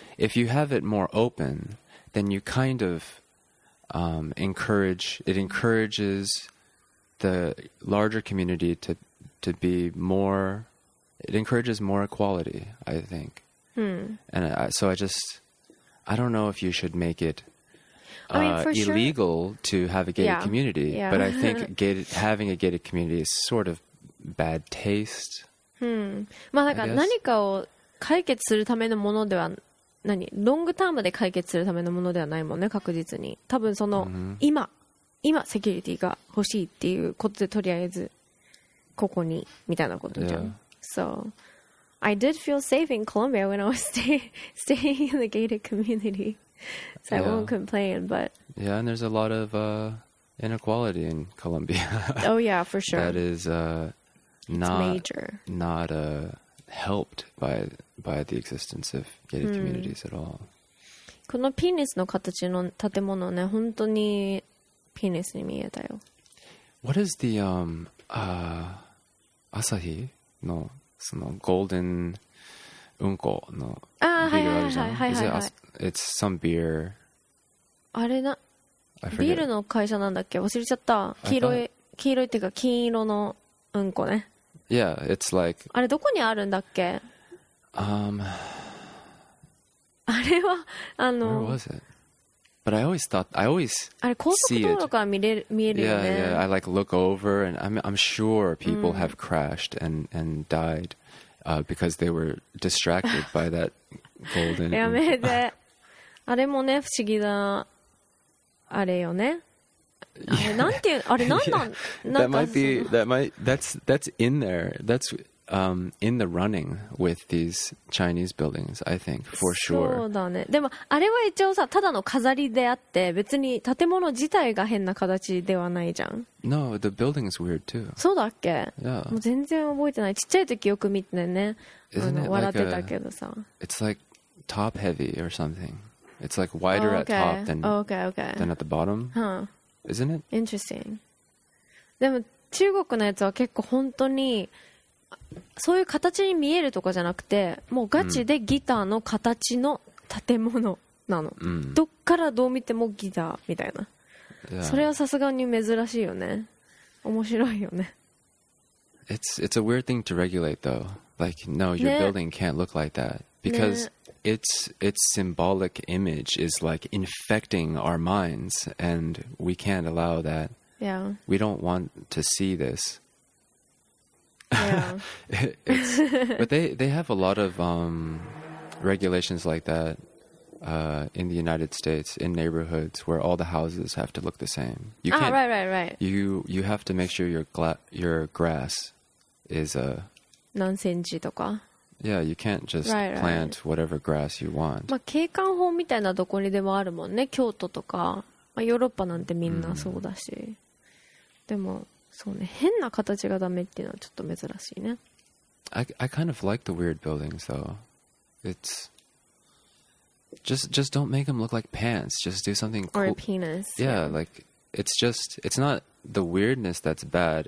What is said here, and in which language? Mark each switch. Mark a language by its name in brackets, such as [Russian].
[English] If you have it more open, then you kind of encourages the larger community to be more... It encourages more equality, I think. Hmm. And I don't know if you should make it illegal to have a gated yeah. community, yeah. but I think having a gated community is sort of... Bad taste. Hmm. [Japanese] まあなんか何かを解決するためのものでは何ロングタームで解決するためのものではないもんね確実に多分その今、mm-hmm. 今セキュリティが欲しいっていうことでとりあえずここにみたいなことじゃん、 [English] yeah. So I did feel safe in Colombia when I was staying in the gated community So I won't complain but Yeah and there's a lot of inequality in Colombia Oh yeah for sure That is Not helped by the existence of gated communities at all. [Japanese] このピニスの形の建物ね、本当にピニスに見えたよ。 [English] What is the [Japanese] Asahi のそのゴールデンうんこのビールあるじゃん。はいはいはい。 [English] It's some beer. [Japanese] あれな、ビールの会社なんだっけ？忘れちゃった。黄色いっていうか金色のうんこね。 [English] Yeah, it's like... [Japanese] あれどこにあるんだっけ? あれは、あの... [English] Where was it? But I always thought... I always see it. [Japanese] あれ高速道路から見えるよね。 [English] Yeah, yeah. I like look over and I'm sure people have crashed and died because they were distracted by that golden... [Japanese] やめて。あれもね、不思議な。あれよね。 [English] That's in there. That's in the running with these Chinese buildings, I think, for sure. [Japanese] そうだね。でもあれは一応さ、ただの飾りであって、別に建物自体が変な形ではないじゃん。 [English] No, the building is weird too. [Japanese] そうだっけ [English] Yeah. [Japanese] もう全然覚えてない。ちっちゃい時よく見てね。笑ってたけどさ。 [English] It's like top heavy or something. It's like wider at top than at the bottom. Huh. Isn't it? Interesting. [Japanese] でも中国のやつは結構本当にそういう形に見えるとかじゃなくてもうガチでギターの形の建物なの、 mm. どっからどう見てもギターみたいな、 [English] yeah. [Japanese] それはさすがに珍しいよね面白いよね [English] It's a weird thing to regulate though Like no your、 [Japanese] ね、 [English] building can't look like that Because、 [Japanese] ね、 [English] its symbolic image is like infecting our minds, and we can't allow that. Yeah. We don't want to see this. but they have a lot of regulations like that in the United States, in neighborhoods where all the houses have to look the same. You can't, right. You have to make sure your grass is a... [Japanese] 何センチとか? [English] Yeah, you can't just plant whatever grass you want. [Japanese] まあ、景観法みたいなどこにでもあるもんね。京都とか、まあ、ヨーロッパなんてみんなそうだし。でも、そうね。変な形がダメっていうのはちょっと珍しいね。 [English] I kind of like the weird buildings, though. It's... Just don't make them look like pants. Just do something cool. Or a penis. Yeah, like, it's not the weirdness that's bad.